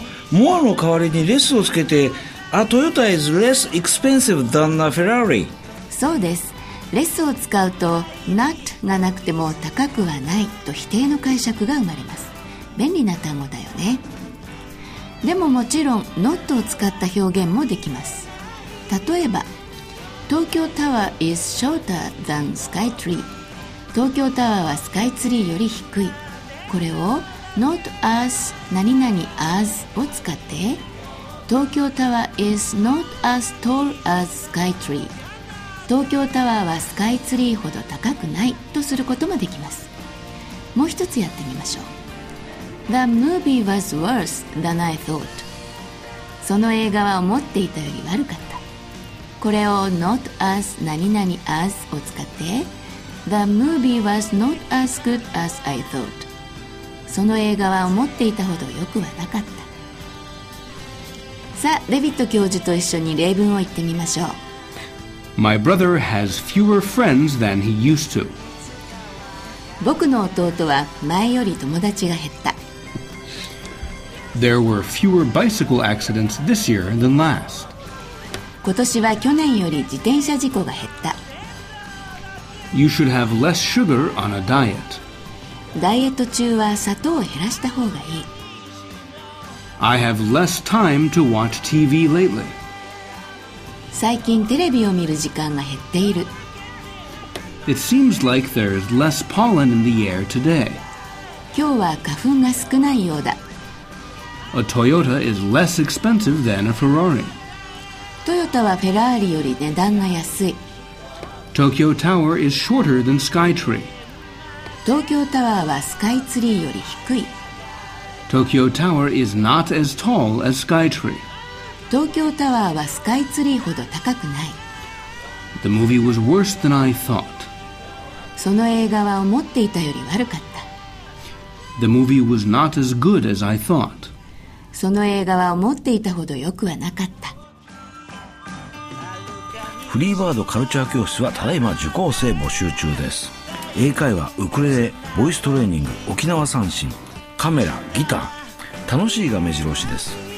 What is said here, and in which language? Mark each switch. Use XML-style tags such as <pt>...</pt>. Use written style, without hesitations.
<ja>モアの代わりにレスをつけて、</ja> <en>A Toyota is less expensive than a Ferrari。</en> <ja>そうです。レスを使うと not がなくても高くはないと否定の解釈が生まれます。便利な単語だよね。でももちろん not を使った表現もできます。例えば東京タワー</ja> <en>is shorter than sky tree、</en> <ja>東京タワーはスカイツリーより低い。これを not as 何々 as を使って、東京タワー</ja> <en>is not as tall as sky tree、</en> <ja>東京タワーはスカイツリーほど高くないとすることもできます。もう一つやってみましょう。</ja> <en>The movie was worse than I thought、</en> <ja>その映画は思っていたより悪かった。これを not as 何々 as を使って、</ja> <en>The movie was not as good as I thought、</en> <ja>その映画は思っていたほど良くはなかった。さあ、デビット教授と一緒に例文を言ってみましょう。</ja> <en>My brother has fewer friends than he used to.</en> <ja>僕の弟は前より友達が減った。</ja> <en>There were fewer bicycle accidents this year than last.</en> <ja>今年は去年より自転車事故が減った。</ja> <en>You should have less sugar on a diet.</en> <ja>ダイエット中は砂糖を減らした方がいい。</ja> <en>I have less time to watch TV lately.</en> <ja>最近テレビを見る時間が減っている。</ja> <en>It seems like there is less pollen in the air today.</en> <ja>今日は花粉が少ないようだ。</ja> <en>A Toyota is less expensive than a Ferrari.</en> <ja>トヨタはフェラーリより値段が安い。</ja> <en>Tokyo Tower is shorter than Skytree.</en> <ja>東京タワーはスカイツリーより低い。</ja> <en>Tokyo Tower is not as tall as Skytree.</en> <ja>東京タワーはスカイツリーほど高くない。</ja> <en>The movie was worse than I thought.</en> <ja>その映画は思っていたより悪かった。</ja> <en>The movie was not as good as I thought.</en> <ja>その映画は思っていたほど良くはなかった。フリーバードカルチャー教室はただいま受講生募集中です。英会話、ウクレレ、ボイストレーニング、沖縄三線、カメラ、ギター、楽しいが目白押しです。</ja>